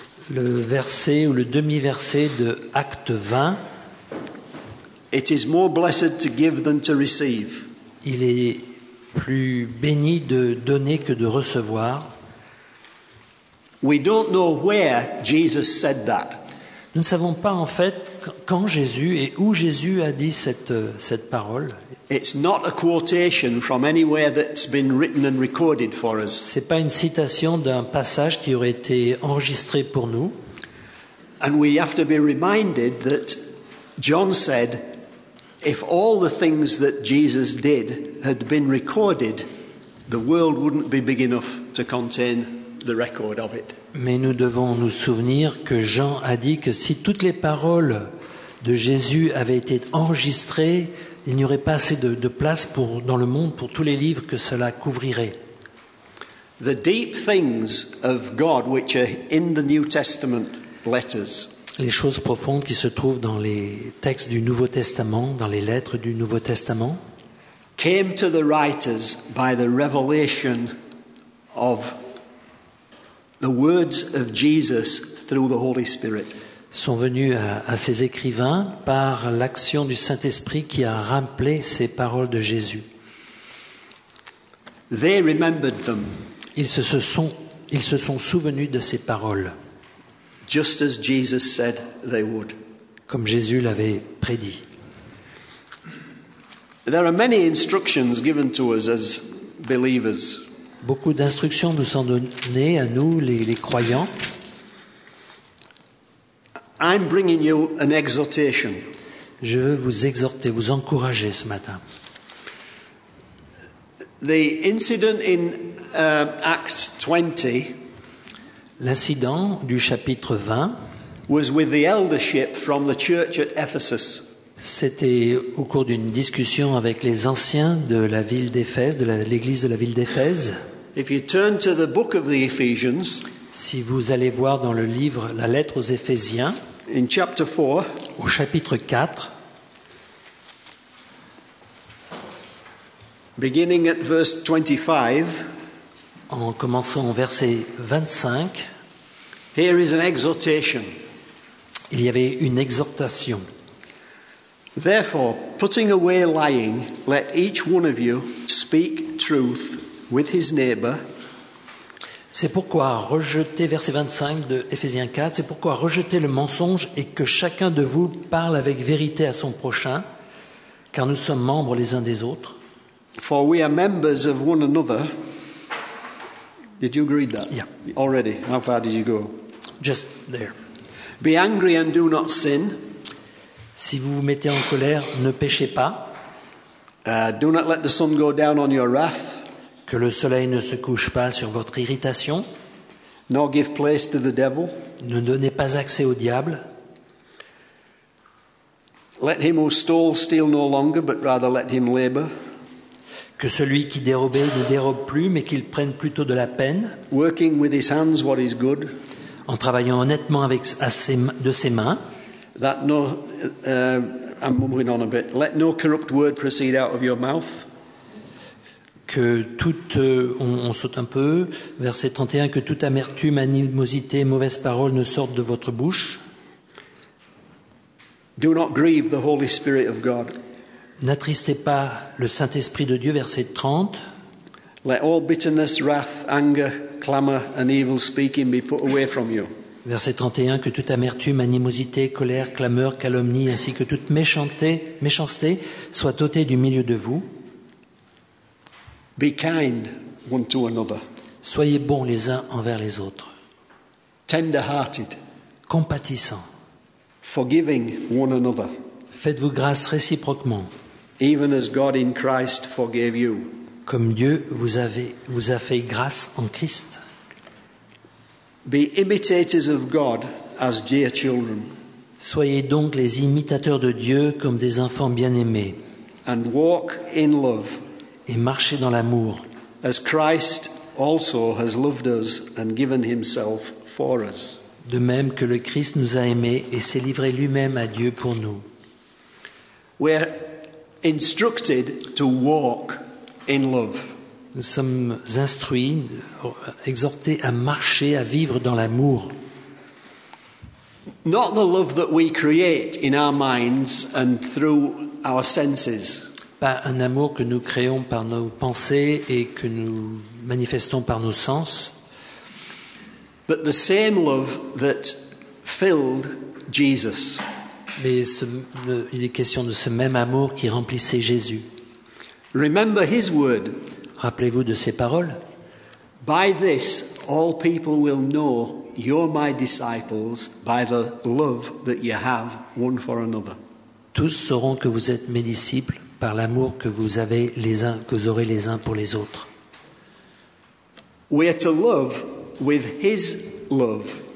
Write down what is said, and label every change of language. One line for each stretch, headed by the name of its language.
French: Le verset ou le demi-verset de Acte 20.
English: It is more blessed to give than to receive.
French: Il est plus béni de donner que de recevoir.
English: We don't know where Jesus said that.
French: Nous ne savons pas en fait quand Jésus et où Jésus a dit cette parole.
English: It's not a quotation from anywhere that's been written and recorded for us.
French: C'est pas une citation d'un passage qui aurait été enregistré pour nous.
English: And we have to be reminded that John said, if all the things that Jesus did had been recorded, the world wouldn't be big enough to contain the record of it.
French: Mais nous devons nous souvenir que Jean a dit que si toutes les paroles de Jésus avaient été enregistrées, il n'y aurait pas assez de place pour, dans le monde pour tous les livres que cela couvrirait.
English: The deep things of God which are in the New Testament letters.
French: Les choses profondes qui se trouvent dans les textes du Nouveau Testament, dans les lettres du Nouveau Testament,
English: came to the writers by the revelation of the words of Jesus through the Holy Spirit.
French: Sont venus à ces écrivains par l'action du Saint-Esprit qui a rappelé ces paroles de Jésus.
English: They remembered them.
French: Ils se sont souvenus de ces paroles.
English: Just as Jesus said they would.
French: Comme Jésus l'avait prédit.
English: There are many instructions given to us as believers.
French: Beaucoup d'instructions nous sont données à nous, les croyants.
English: I'm bringing you an exhortation.
French: Je veux vous exhorter, vous encourager ce matin.
English: The incident in Acts 20.
French: L'incident du chapitre 20
English: was with the eldership from the church at Ephesus.
French: C'était au cours d'une discussion avec les anciens de la ville d'Éphèse, de l'église de la ville d'Éphèse.
English: If you turn to the book of the Ephesians,
French: si vous allez voir dans le livre la lettre aux Éphésiens,
English: in chapter 4,
French: au chapitre 4,
English: beginning at verse 25,
French: en commençant au verset 25,
English: here is an exhortation.
French: Il y avait une exhortation.
English: Therefore, putting away lying, let each one of you speak truth with his neighbor.
French: C'est pourquoi rejetez, verset 25 de Éphésiens 4, c'est pourquoi rejetez le mensonge et que chacun de vous parle avec vérité à son prochain, car nous sommes membres les uns des autres.
English: For we are members of one another. Did you agree that? Yeah. Already. How far did you go? Just there. Be angry and do not sin.
French: Si vous vous mettez en colère, ne péchez pas.
English: Do not let the sun go down on your wrath.
French: Que le soleil ne se couche pas sur votre irritation.
English: Nor give place to the devil.
French: Ne donnez pas accès au diable.
English: Let him who stole steal no longer, but rather let him labor.
French: Que celui qui dérobait ne dérobe plus, mais qu'il prenne plutôt de la peine.
English: Working with his hands what is good.
French: En travaillant honnêtement avec de ses mains.
English: That no, I'm moving on a bit. Let no corrupt word proceed out of your mouth.
French: Que toute, on saute un peu, verset 31, que toute amertume, animosité, mauvaise parole ne sortent de votre bouche.
English: Do not grieve the Holy Spirit of God.
French: N'attristez pas le Saint-Esprit de Dieu, verset 30.
English: Let all bitterness, wrath, anger, clamor, and evil speaking be put away from you.
French: Verset 31, que toute amertume, animosité, colère, clameur, calomnie, ainsi que toute méchanceté soit ôtée du milieu de vous.
English: Be kind one to another.
French: Soyez bons les uns envers les autres.
English: Tender-hearted.
French: Compatissants.
English: Forgiving one another.
French: Faites-vous grâce réciproquement.
English: Even as God in Christ forgave you.
French: Comme Dieu vous a fait grâce en Christ.
English: Be imitators of God as dear children.
French: Soyez donc les imitateurs de Dieu comme des enfants bien-aimés.
English: And walk in love.
French: Et marchez dans l'amour.
English: As Christ also has loved us and given himself for us.
French: De même que le Christ nous a aimés et s'est livré lui-même à Dieu pour nous.
English: We are instructed to walk in love.
French: Nous sommes instruits, exhortés à marcher, à vivre dans l'amour.
English: Not the love that we create in our minds and through our senses.
French: Pas un amour que nous créons par nos pensées et que nous manifestons par nos sens.
English: But the same love that filled Jesus.
French: Mais il est question de ce même amour qui remplissait Jésus.
English: Remember his word.
French: Rappelez-vous de ses paroles.
English: By this all people will know you're my disciples by the love that you have one for another.
French: Tous sauront que vous êtes mes disciples par l'amour que vous avez les uns que vous aurez les uns pour les autres.
English: We are to love with his love.